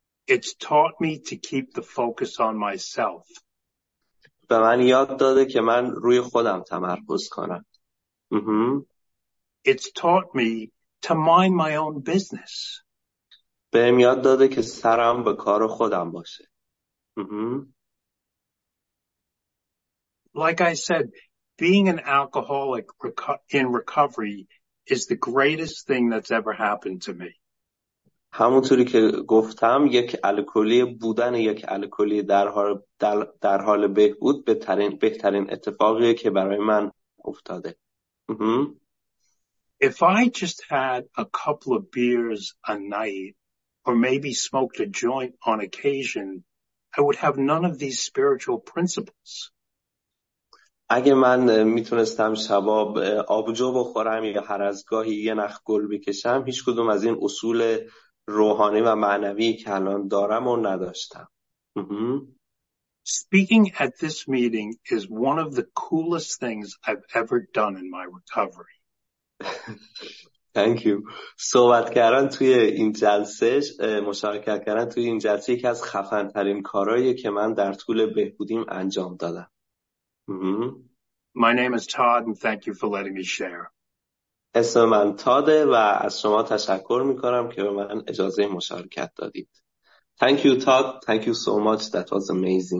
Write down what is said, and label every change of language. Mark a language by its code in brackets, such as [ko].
[en] It's taught me to keep the focus on myself. [fa] به من یاد داده که من روی خودم تمرکز کنم. [en] It's taught me to mind my own business. [fa] به من یاد داده که سرم به کار خودم باشه. [en] Like I said, being an alcoholic in recovery is the greatest thing that's ever happened to me. [fa] همونطوری که گفتم یک الکلی بودن یک الکلی در حال بهبود بهترین اتفاقیه که برای من افتاده. [en] If I just had a couple of beers a night or maybe smoked a joint on occasion, I would have none of these spiritual principles. [fa] اگه من میتونستم شباب آبجو بخورم یا هر از گاهی یه نخ گل بکشم هیچ کدوم از این اصول روحانی و معنوی که الان دارم و نداشتم. [en] Speaking at this meeting is one of the coolest things I've ever done in my recovery. Thank you. [fa] صحبت کردن توی این جلسه، مشارکت کردن توی این جلسه یکی از خفن‌ترین کارهایی که من در طول بهبودیم انجام دادم. [en] My name is Todd and thank you for letting me share. [fa] اسم من تاده و از شما تشکر می‌کنم که به من اجازه مشارکت دادید. [en] Thank you Todd, thank you so much, that was amazing.